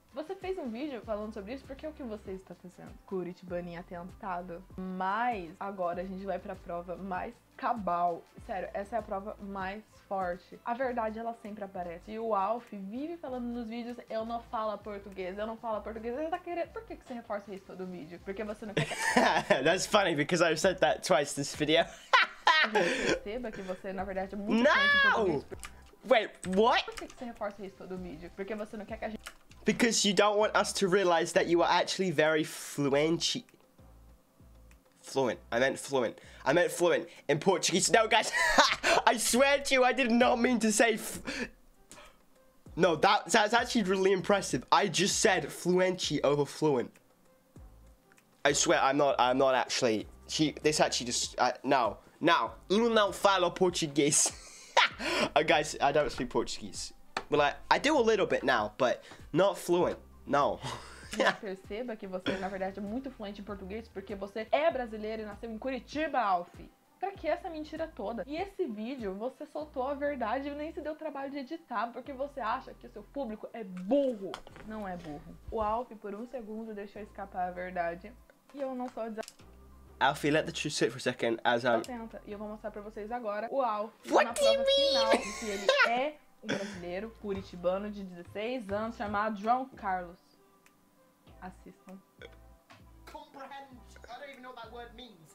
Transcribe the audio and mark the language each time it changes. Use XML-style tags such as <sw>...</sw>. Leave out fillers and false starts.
<pt>Você fez um vídeo falando sobre isso, porque é o que você está fazendo. Curitibaninha atentado. Mas agora a gente vai pra prova mais cabal. Sério, essa é a prova mais forte. A verdade, ela sempre aparece. E o Alfie vive falando nos vídeos, eu não falo português, eu não falo português. Ele tá querendo... Por que você reforça isso todo vídeo? Porque você não quer...</pt> <en>That's funny, because I've said that twice this video.</en> <pt>Perceba que você, na verdade, é muito fluente em português.</pt> <en>Wait, what?</en> <pt>Por que você reforça isso todo vídeo? Porque você não quer que a gente...</pt> <en>Because you don't want us to realize that you are actually very fluent. Fluent. I meant fluent. I meant fluent in Portuguese. No, guys. I swear to you, I did not mean to say... No, that's actually really impressive. I just said fluent over fluent. I swear, I'm not actually... This actually just... Now.</en> <pt>Eu não falo português.</pt> <en>Guys, I don't speak Portuguese. Well, I do a little bit now, but not fluent, no.</en> <pt>Perceba que você, na verdade, é muito fluente em português porque você é brasileiro e nasceu em Curitiba, Alfie. Pra que essa mentira toda? E esse vídeo, você soltou a verdade e nem se deu trabalho de editar porque você acha que o seu público é burro. Não é burro. O Alfie, por um segundo, deixou escapar a verdade e eu não sou</pt> <en>Alfie, let the truth sit for a second as I'm...</en> <pt>Atenta, e eu vou mostrar pra vocês agora o Alfie.</pt> <en>What do you mean?</en> <pt>Que ele é... Um brasileiro, curitibano de 16 anos, chamado João Carlos. Assistam.</pt> <en>Comprehend. I don't even know what that word means.</en>